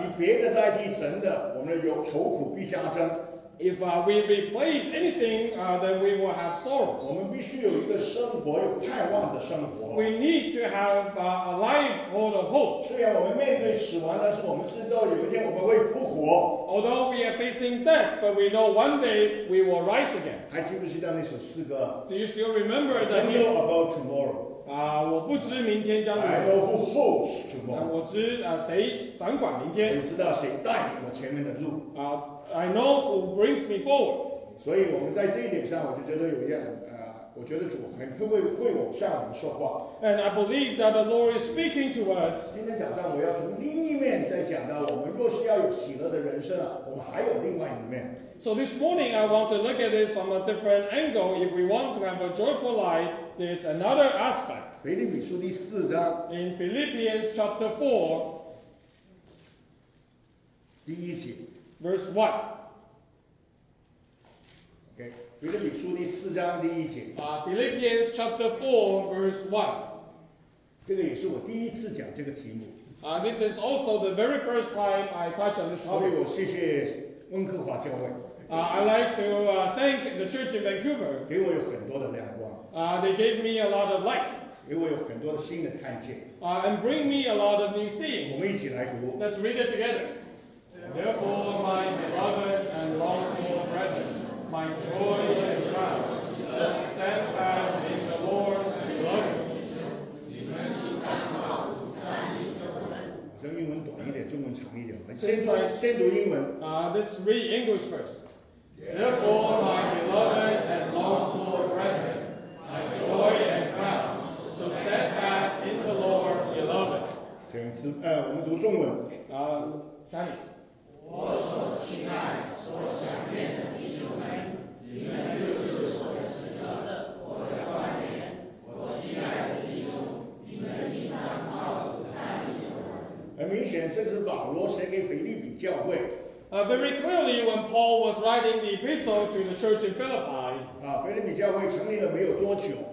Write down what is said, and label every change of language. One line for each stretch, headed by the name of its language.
Chinese: 以别的代替神的, 我们有愁苦必加增。
English: If we replace anything, then we will have sorrows.
Chinese: 我们必须有一个生活有盼望的生活。
English: We need to have a life full of hope.
Chinese: 虽然我们面对死亡，但是我们知道有一天我们会复活。
English: Although we are facing death, but we know one day we will rise again.
Chinese: 还记不记得那首诗歌？
English: Do you still remember the hymn? I don't know about tomorrow.
Chinese: 我不知明天将如何。
English: I know who holds tomorrow.
Chinese: 我知谁掌管明天。我知道谁带领我前面的路。
English: I know who brings me forward.
Chinese: 所以我们在这一点上，我就觉得有一样，我觉得主很会我向我们说话。
English: And I believe that the Lord is speaking to us.
Chinese: 今天早上我要从另一面再讲到，我们若是要有喜乐的人生，我们还有另外一面。
English: So this morning I want to look at this from a different angle. If we want to have a joyful life, there's another aspect.
Chinese: 腓立比书第四章。
English: In Philippians chapter 4,
Chinese: 第一节。
English: Verse 1. Okay.
Chinese: 腓立比书第四章第一节。
English: Philippians chapter 4, verse 1.
Chinese: 这个也是我第一次讲这个题目。
English: This is also the very first time I touch on this topic.
Chinese: 所以我谢谢温哥华教会。
English: I'd like to thank the church in Vancouver.
Chinese: 给我有很多的亮光。
English: They gave me a lot of light.
Chinese: 给我有很多的新的看见。
English: And bring me a lot of new things.
Chinese: 我们一起来读。
English: Let's read it together. Therefore, my beloved and longed-for brethren, my joy and crown, let us stand fast in the Lord and love Him.
Chinese: 让英文短一点，中文长一点。先读英文。
English: Let's read English first. Therefore, my beloved and longed-for brethren, my joy and crown, so stand fast in the Lord, beloved.
Chinese: 请词，我们读中文。
English: Chinese.
Chinese: 我所亲爱、所想念的弟兄们，你们就是我的喜乐、我的冠冕。我亲爱的弟兄，你们应当夸我看你们。很明显，这是保罗写给腓立比教会。
English: Very clearly, when Paul was writing the epistle to the church in Philippi,
Chinese: 腓立比教会成立了没有多久。